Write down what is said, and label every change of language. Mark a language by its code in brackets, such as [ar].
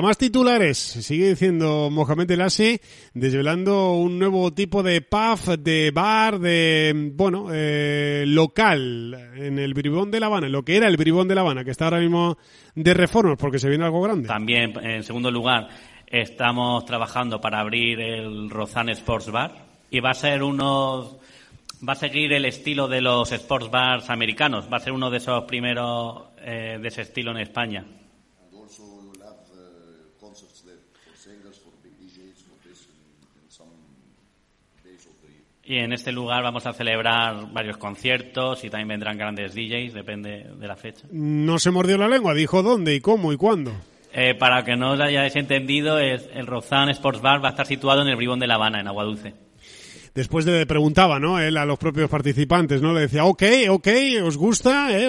[es] Más titulares, sigue diciendo Mohamed El Asi, desvelando un nuevo tipo de pub, de bar, de, bueno, local, en el Bribón de La Habana, lo que era el Bribón de La Habana, que está ahora mismo de reformas, porque se viene algo grande. También, en segundo lugar, estamos trabajando para abrir el Rozan Sports Bar, y va a seguir el estilo de los sports bars americanos. Va a ser uno de esos primeros de ese estilo en España. [en] Concerts for singers, for DJs, for this, in some days of the year. [es] Y en este lugar vamos a celebrar varios conciertos y también vendrán grandes DJs, depende de la fecha. No se mordió la lengua, dijo dónde y cómo y cuándo. Para que no os hayáis entendido, es el Rozan Sports Bar va a estar situado en el Bribón de La Habana, en Agua Dulce. Después le preguntaba, ¿no?, él a los propios participantes, ¿no? Le decía, ok, os gusta, ¿eh?